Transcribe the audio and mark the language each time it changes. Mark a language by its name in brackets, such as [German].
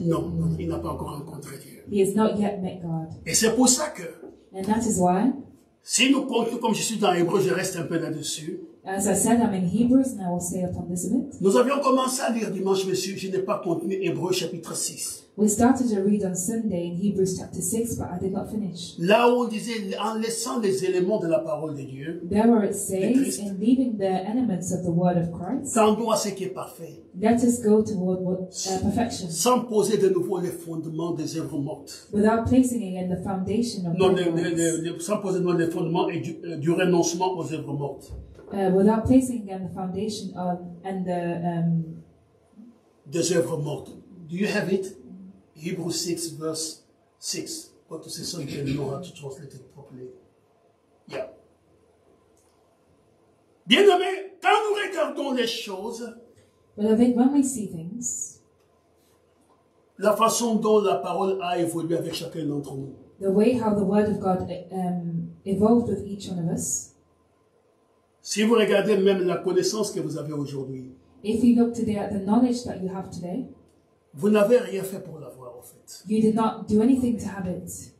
[French] Non, non, il n'a pas encore rencontré Dieu. [English] He has not yet met God. [French] Et c'est pour ça que. [English] And that is why. [French] Si nous comptons comme je suis dans Hébreux, je reste un peu là-dessus. [English] As I said, I'm in Hebrews, and I will stay upon this a bit. [French] Nous avions commencé à lire dimanche, monsieur. Je n'ai pas continué Hébreux chapitre 6. [English] We started to read on Sunday in Hebrews chapter 6, but I did not finish. [French] Là où on disait en laissant les éléments de la parole de Dieu. [English] There where it says in leaving the elements of the word of Christ. [French] Tendons à ce qui est parfait. [English] Let us go toward perfection. [French] Sans poser de nouveau les fondements des œuvres mortes. [English] Without placing again the foundation of [French] non, sans poser de nouveau les fondements et du renoncement aux œuvres mortes. [English] Without placing again the foundation of and the [French] des œuvres mortes. [English] Do you have it? Hebrews 6, verse 6. Go to say something, you know how to translate it properly. Yeah. [French] Bien-aimé, quand nous regardons les choses, [English] but I think when we see things, [French] la façon dont la parole a évolué avec chacun d'entre nous, [English] the way how the word of God evolved with each one of us, [French] si vous regardez même la connaissance que vous avez aujourd'hui, [English] if you look today at the knowledge that you have today, [French] vous n'avez rien fait pour l'avoir. [English] You did not do anything to have it.